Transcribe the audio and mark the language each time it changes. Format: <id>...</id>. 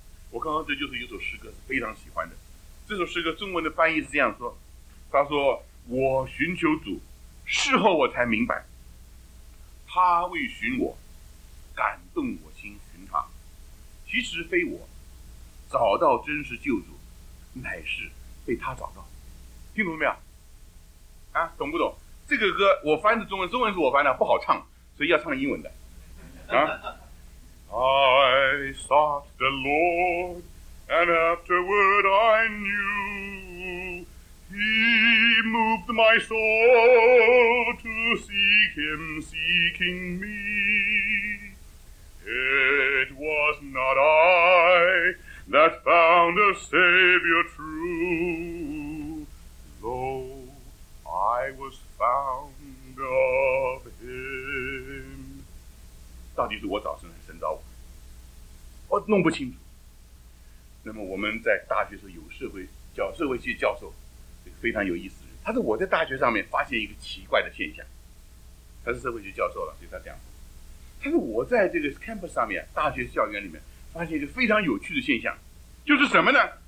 <zh>我刚刚这就是有首诗歌是非常喜欢的，这首诗歌中文的翻译是这样说，他说我寻求主，事后我才明白，他为寻我，感动我心寻他，其实非我，找到真实救主，乃是被他找到。听懂没有？啊，懂不懂？这个歌我翻的中文是我翻的，不好唱，所以要唱英文的。</zh> <en>啊，I sought the Lord, and afterward I knew. He moved my soul to seek him, seeking me. It was not I that found a Savior true, though I was found of him.</en> <zh>到底是我找神还是神找我？我弄不清楚。那么我们在大学时候有社会系教授。非常有意思，他说我在大学上面发现一个奇怪的现象，他是社会学教授了，对他讲，他说我在这个 campus 上面，大学校园里面发现一个非常有趣的现象，就是什么呢？</zh>